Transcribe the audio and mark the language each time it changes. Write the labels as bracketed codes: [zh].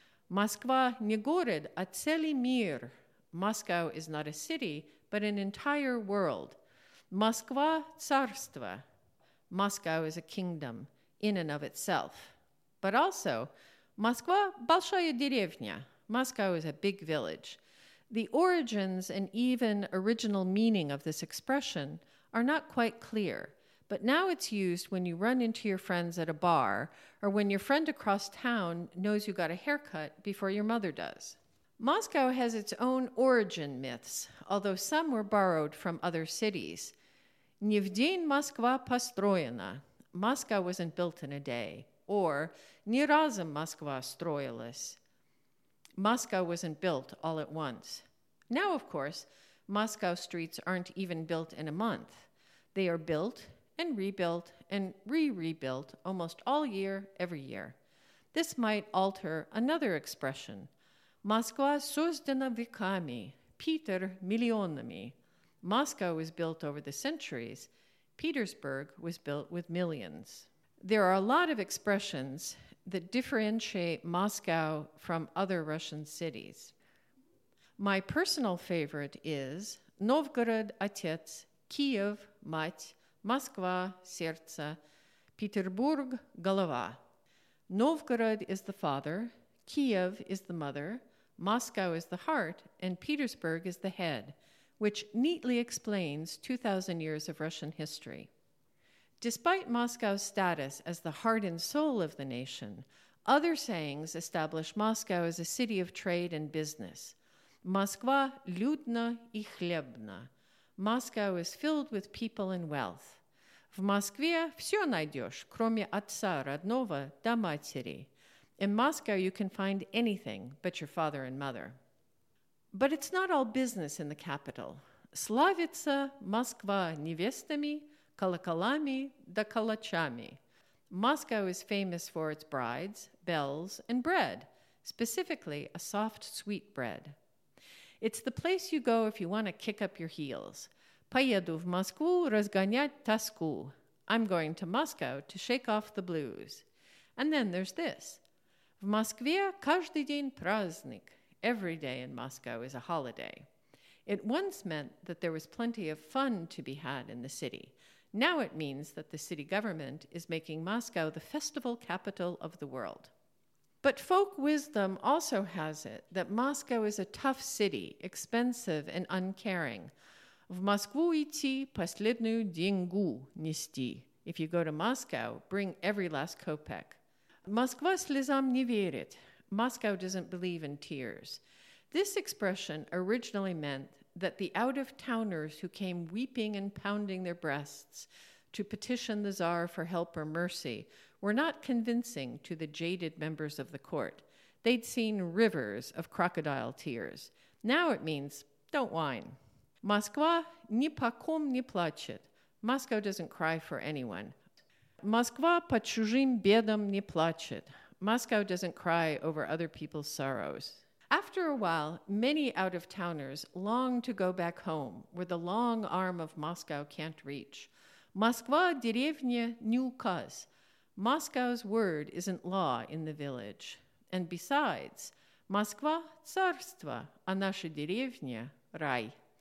[ru] Москва – не город, а целый мир. [en] Moscow is not a city, but an entire world. [ru] Москва – царство. [en] Moscow is a kingdom in and of itself. But also, [ru] Москва – большая деревня. [en] Moscow is a big village. The origins and even original meaning of this expression are not quite clear, but now it's used when you run into your friends at a bar or when your friend across town knows you got a haircut before your mother does. Moscow has its own origin myths, although some were borrowed from other cities. [ru] Не в день Москва построена. [en] Moscow wasn't built in a day. Or, [ru] ни разом Москва строилась. [en] Moscow wasn't built all at once. Now, of course, Moscow streets aren't even built in a month. They are built and rebuilt and re-rebuilt almost all year, every year. This might alter another expression. [ru] Москва создана веками, Питер миллионами. [en] Moscow was built over the centuries. Petersburg was built with millions. There are a lot of expressions that differentiate Moscow from other Russian cities. My personal favorite is [ru] Novgorod – отец, Kiev – мать, Москва – сердце, Петербург – голова. [en] Novgorod is the father, Kiev is the mother, Moscow is the heart, and Petersburg is the head, which neatly explains 2,000 years of Russian history. Despite Moscow's status as the heart and soul of the nation, other sayings establish Moscow as a city of trade and business. [ru] Москва людна и хлебна. [en] Moscow is filled with people and wealth. [ru] В Москве все найдешь, кроме отца родного да матери. [en] In Moscow you can find anything but your father and mother. But it's not all business in the capital. [ru] Славится Москва невестами, колоколами да калачами. [en] Moscow is famous for its brides, bells, and bread, specifically a soft, sweet bread. It's the place you go if you want to kick up your heels. [ru] Поеду в Москву разгонять тоску. [en] I'm going to Moscow to shake off the blues. And then there's this. [ru] В Москве каждый день праздник. [en] Every day in Moscow is a holiday. It once meant that there was plenty of fun to be had in the city. Now it means that the city government is making Moscow the festival capital of the world. But folk wisdom also has it that Moscow is a tough city, expensive and uncaring. [ru] В Москву идти последнюю деньгу нести, [en] If you go to Moscow, bring every last kopeck. [ru] Moskva slezam не верит. [en] Moscow doesn't believe in tears. This expression originally meant that the out-of-towners who came weeping and pounding their breasts to petition the Tsar for help or mercy were not convincing to the jaded members of the court. They'd seen rivers of crocodile tears. Now it means, don't whine. [ru] Москва ни по ком не плачет. [en] Moscow doesn't cry for anyone. [ru] Москва по чужим бедам не плачет. [en] Moscow doesn't cry over other people's sorrows. After a while, many out-of-towners long to go back home, where the long arm of Moscow can't reach. [ru] Москва деревня не указ. [en] Moscow's word isn't law in the village. And besides, [ru] Москва царство, а наша деревня – рай.